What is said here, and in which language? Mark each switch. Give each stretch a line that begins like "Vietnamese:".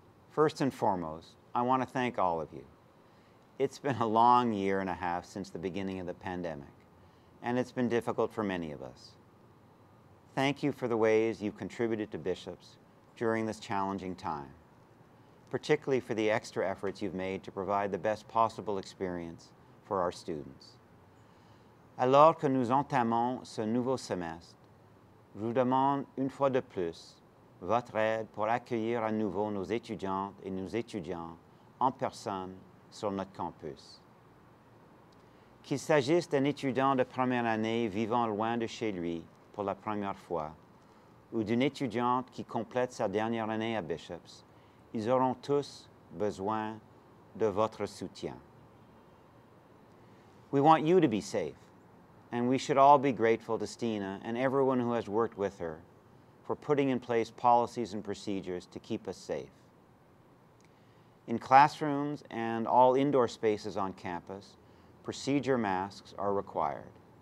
English: First and foremost, I want to thank all of you. It's been a long year and a half since the beginning of the pandemic, and it's been difficult for many of us. Thank you for the ways you've contributed to Bishop's during this challenging time, particularly for the extra efforts you've made to provide the best possible experience for our students.
French: Alors que nous entamons ce nouveau semestre, je vous demande une fois de plus votre aide pour accueillir à nouveau nos étudiantes et nos étudiants en personne sur notre campus. Qu'il s'agisse d'un étudiant de première année vivant loin de chez lui pour la première fois ou d'une étudiante qui complète sa dernière année à Bishop's, ils auront tous besoin de votre soutien.
English: We want you to be safe. And we should all be grateful to Stina and everyone who has worked with her for putting in place policies and procedures to keep us safe. In classrooms and all indoor spaces on campus, procedure masks are required.